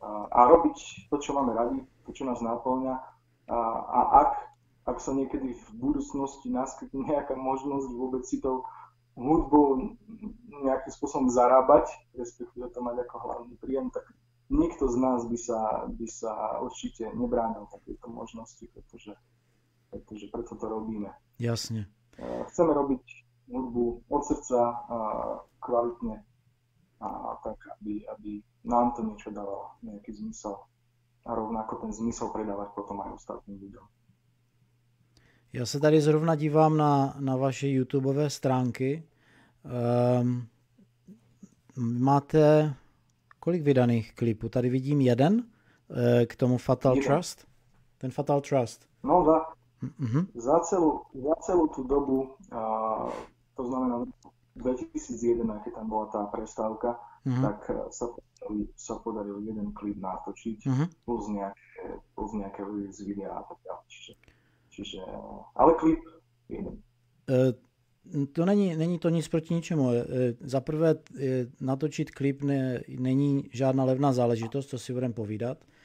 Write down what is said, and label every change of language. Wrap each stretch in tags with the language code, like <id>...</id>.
<sk>A robiť to, čo máme radi, to, čo nás napĺňa. A ak sa niekedy v budúcnosti naskytne nejaká možnosť vôbec si tou hudbou nejakým spôsobom zarábať, respektíve to mať ako hlavný príjem, tak nikto z nás by sa určite nebránil takéto možnosti, pretože preto to robíme. Jasne. Chceme robiť hudbu od srdca, kvalitne, a tak, aby nám to niečo dávalo, nejaký zmysel. A rovnako ten zmysel predávať potom aj ostatným ľuďom.</sk> <cs>Já se tady zrovna dívám na vaše YouTubeové stránky. Máte kolik vydaných klipů? Tady vidím jeden, k tomu Fatal Jeden. Trust. Ten Fatal Trust.</cs> <sk>No za celú tú dobu, to znamená 2001, keď tam bola tá prestávka, tak sa podarilo jeden klip natočiť plus nejaké z videa a tak ďalej. Čiže, ale klip jeden.</sk> <cs>To není to nic proti ničemu. Za prvé, natočit klip není žádná levná záležitost, to si budeme povídat.</cs>